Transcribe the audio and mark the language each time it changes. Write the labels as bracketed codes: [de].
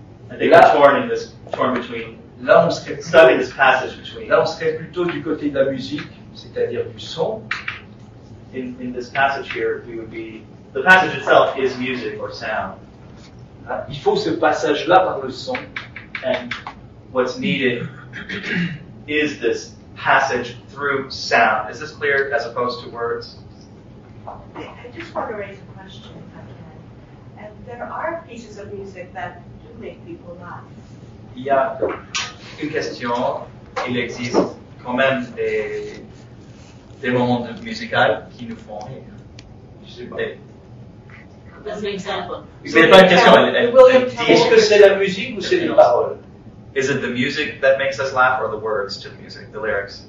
[en] and they were torn in this torn between. [fr] Là, on serait [en] studying this passage between. [fr] Là, on serait plutôt du côté de la musique, c'est-à-dire du son. [en] In this passage here, we would be. The passage itself is music or sound. [fr] Il faut ce passage là par le son, [en] and what's needed is this passage through sound. Is this clear as opposed to words? I just want to raise a question if I can. And there are pieces of music that do make people laugh. [fr] Il y a une question. Il existe quand même des moments musicaux qui nous font rire. Je sais pas. [en] As an example. [fr] C'est pas une question. Elle est-ce que c'est la musique ou c'est les paroles? [en] Is it the music that makes us laugh, or the words to the music, the lyrics?